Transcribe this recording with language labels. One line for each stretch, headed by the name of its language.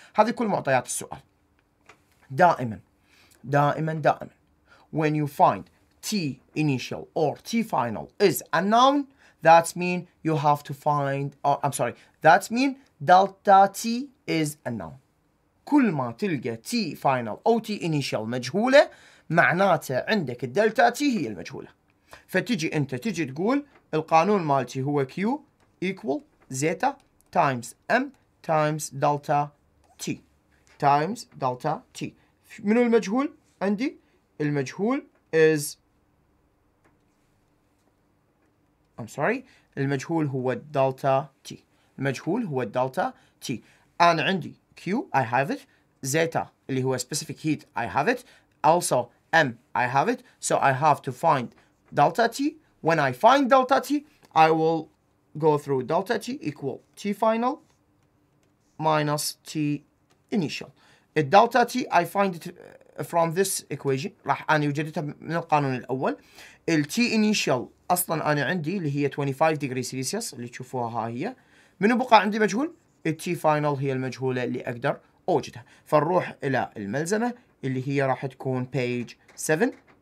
Arabic: هذه كل معطيات السؤال. دائما دائما دائما
English: when you find T initial or T final is unknown, that mean you have to find that mean delta T is unknown.
Arabic: كل ما تلقى T final أو T initial مجهولة معناته عندك الدلتا T هي المجهولة. فتجي أنت تجي تقول القانون مالتي هو
English: Q equal zeta times M times delta T times delta T.
Arabic: منو المجهول عندي؟ المجهول is المجهول هو الدلتا T. المجهول هو الدلتا T. أنا عندي Q,
English: I have it. Zeta,
Arabic: اللي هو
English: specific heat, I have it. Also, M, I have it. So I have to find delta T. When I find delta T, I will go through delta T equal T final minus T initial. At delta T, I find it from this equation.
Arabic: راح أنا وجدتها من القانون الأول. ال T initial أصلاً أنا عندي اللي هي 25 degree Celsius اللي تشوفوها ها هي. منو بقى عندي مجهول؟ التي فاينل هي المجهولة اللي أقدر أوجدها. فنروح إلى الملزمة اللي هي راح تكون بيج 7.